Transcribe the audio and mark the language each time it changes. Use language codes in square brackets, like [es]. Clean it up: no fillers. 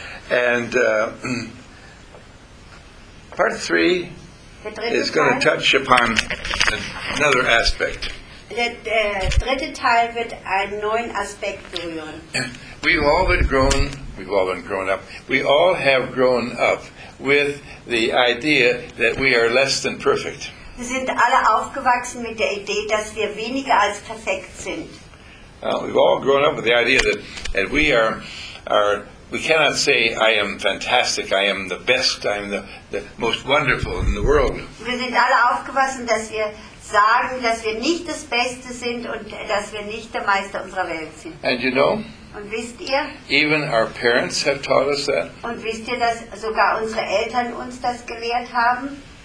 [en] And part three is going to touch upon another aspect. [de] Dritte Teil wird einen neuen Aspekt berühren. [en] We've all been grown up. We all have grown up with the idea that we are less than perfect. [de] Wir sind alle aufgewachsen mit der Idee, dass wir weniger als perfekt sind. [en] We've all grown up with the idea that we are. We cannot say, "I am fantastic. I am the best. I am the most wonderful in the world." [de] Wir sind alle aufgewachsen, dass wir sagen, dass wir nicht das Beste sind und dass wir nicht der Meister unserer Welt sind. [en] And you know. [de] Und wisst ihr? [en] Even our parents have taught us that. [de] Und wisst ihr, dass sogar unsere Eltern uns das gelehrt haben?